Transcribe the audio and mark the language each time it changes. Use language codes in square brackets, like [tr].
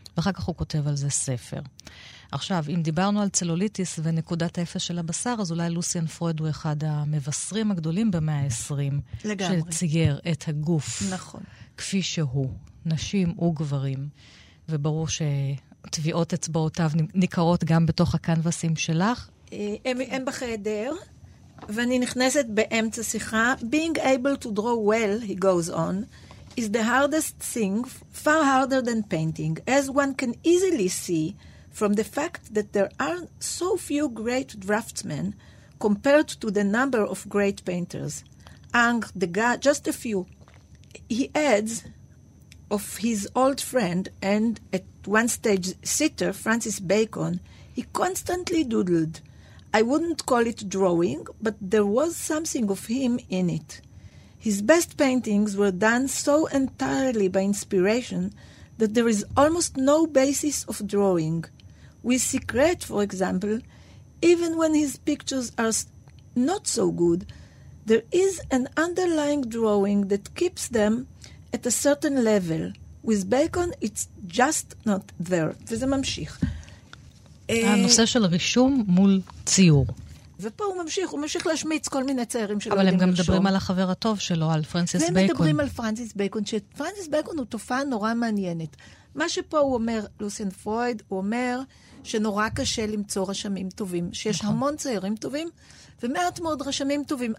[he] ואחר כך הוא כותב על זה ספר. עכשיו, אם דיברנו על צלוליטיס ונקודת האפס של הבשר, אז אולי לוסיאן פרויד הוא אחד המבשרים הגדולים במאה ה-20. לגמרי. שצייר את הגוף. נכון. כפי שהוא. נשים וגברים, וברור שטביעות אצבעותיו ניכרות גם בתוך הקנבסים שלך. הם בחדר, ואני נכנסת באמצע שיחה. [en] Being able to draw well, he goes on, is the hardest thing, far harder than painting. As one can easily see from the fact that there are so few great draftsmen compared to the number of great painters. Ang, Degas, just a few. He adds of his old friend and at one stage sitter, Francis Bacon, he constantly doodled. I wouldn't call it drawing, but there was something of him in it. His best paintings were done so entirely by inspiration that there is almost no basis of drawing. With Secret, for example, even when his pictures are not so good, there is an underlying drawing that keeps them at a certain level. With Bacon, it's just not there. [he] וזה ממשיך. הנושא של רישום מול ציור. ופה הוא ממשיך, הוא ממשיך להשמיץ כל מיני ציירים שלא יודעים לרשום. אבל הם גם מדברים על החבר הטוב שלו, על פרנסיס בייקון. והם מדברים על פרנסיס בייקון, שפרנסיס בייקון הוא תופעה נורא מעניינת. מה שפה הוא אומר, לוסיאן פרויד, הוא אומר שנורא קשה למצוא רשמים טובים, שיש המון ציירים טובים, ומעט מאוד רשמים טובים.